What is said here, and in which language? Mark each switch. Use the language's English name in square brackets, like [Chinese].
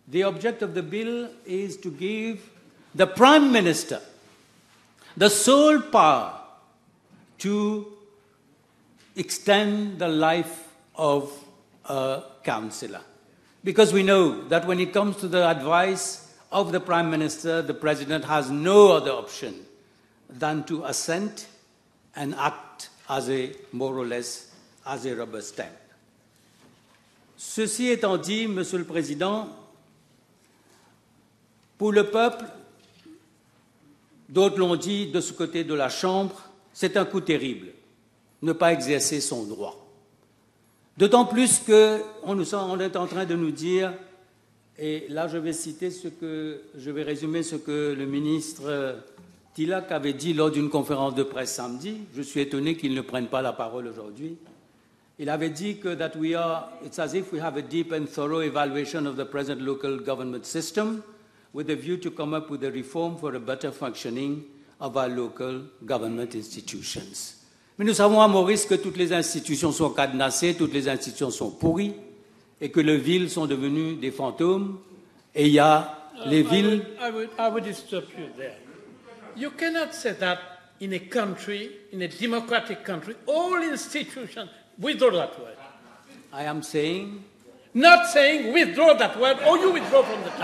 [English] The object of the bill is to give the Prime Minister the sole power to extend the life of a councillor. Because we know that when it comes to the advice of the Prime Minister, the President has no other option than to assent and act as a, more or less, as a rubber stamp. [French] Ceci étant dit, Monsieur le Président, pour le peuple, d'autres l'ont dit de ce côté de la Chambre, c'est un coup terrible, ne pas exercer son droit. D'autant plus qu'on est en train de nous dire, et là je vais citer ce que, je vais résumer ce que le ministre Tillac avait dit lors d'une conférence de presse samedi, je suis étonné qu'il ne prenne pas la parole aujourd'hui. Il avait dit que [English] that we are, it's as if we have a deep and thorough evaluation of the present local government system, with a view to come up with a reform for a better functioning of our local government institutions. [French] Mais nous savons à Maurice que toutes les institutions sont cadenassées, toutes les institutions sont pourries, et que les villes sont devenues des fantômes, et il y a les villes... [English] I would stop you there. You cannot say that in a country, in a democratic country, all institutions, withdraw that word. I am saying... Not saying withdraw that word, or you withdraw from the chamber.